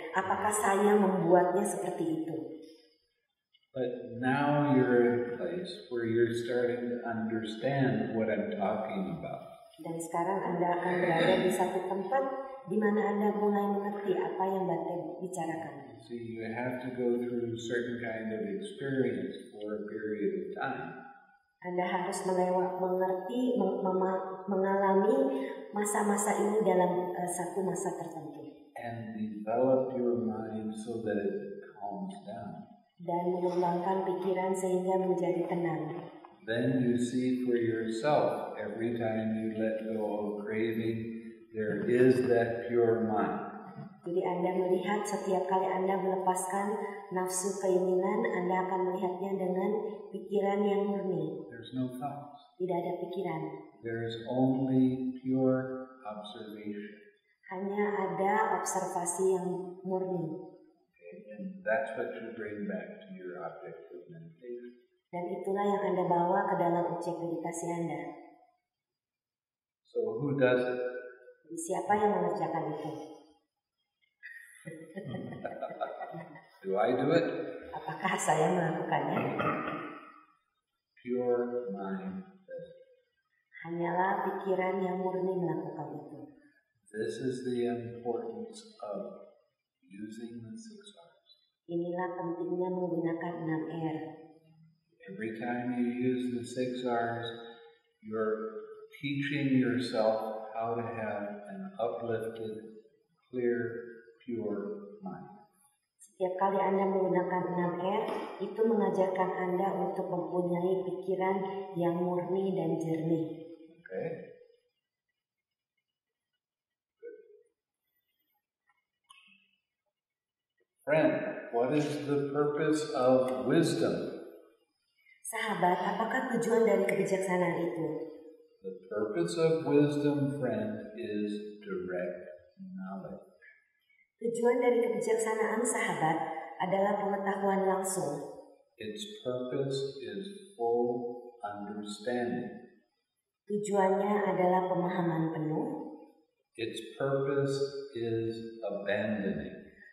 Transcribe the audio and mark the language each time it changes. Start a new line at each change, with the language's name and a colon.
Indonesian: Apakah saya membuatnya seperti itu?
English: But now you're in a place where you're starting to understand what I'm talking about.
Indonesian: Dan sekarang Anda akan berada di satu tempat di mana Anda mulai mengerti apa yang Bante bicarakan.
English: So you have to go through a certain kind of experience for a period of time.
Indonesian: Anda harus mengalami masa-masa ini dalam satu masa tertentu.
English: And develop your mind so that it calms down.
Indonesian: Dan mengembangkan pikiran sehingga menjadi tenang.
English: Then you see for yourself every time you let go of craving, There is that pure mind.
Indonesian: Jadi Anda melihat setiap kali Anda melepaskan nafsu keinginan, Anda akan melihatnya dengan pikiran yang murni.
English: There's no thoughts.
Indonesian: Tidak ada pikiran.
English: There is only pure observation.
Indonesian: Hanya ada observasi yang murni.
English: And that's what you bring back to your object of meditation.
Indonesian: Dan itulah yang Anda bawa ke dalam objek meditasi Anda.
English: So who does it?
Indonesian: Siapa yang mengerjakan itu?
English: Do I do it?
Indonesian: Apakah saya melakukannya?
English: Pure mind.
Indonesian: Hanyalah pikiran yang murni melakukan itu.
English: This is the importance of using the six R's.
Indonesian: Inilah pentingnya menggunakan 6 R.
English: Every time you use the six R's, you're teaching yourself how to have an uplifted, clear, pure mind.
Indonesian: Setiap kali Anda menggunakan 6 R, itu mengajarkan Anda untuk mempunyai pikiran yang murni dan jernih.
English: Okay. Friend, what is the purpose of wisdom?
Indonesian: Sahabat, apakah tujuan dari kebijaksanaan itu?
English: The purpose of wisdom, friend, is direct knowledge.
Indonesian: Tujuan dari kebijaksanaan, sahabat, adalah pengetahuan langsung.
English: Its purpose is full understanding.
Indonesian: Tujuannya adalah pemahaman penuh.
English: Its purpose is abandoning.